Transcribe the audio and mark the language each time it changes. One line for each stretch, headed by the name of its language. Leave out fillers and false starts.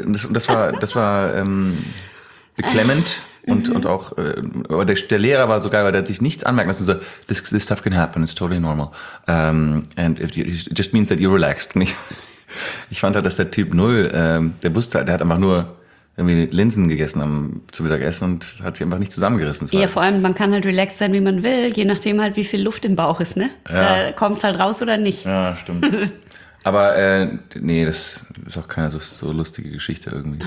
German: das war beklemmend. Und auch, aber der Lehrer war so geil, weil der hat sich nichts anmerken lassen.
English: So, this stuff can happen, it's totally normal. And it just means that you're relaxed.
German: Ich fand halt, dass der Typ null, der wusste halt, der hat einfach nur irgendwie Linsen gegessen zum Mittagessen und hat sich einfach nicht zusammengerissen. Ja, vor allem, man kann halt relaxed sein, wie man will, je nachdem halt, wie viel Luft im Bauch ist, ne? Ja. Da kommt es halt raus oder nicht. Ja, stimmt. Aber nee, das ist auch keine so lustige Geschichte irgendwie.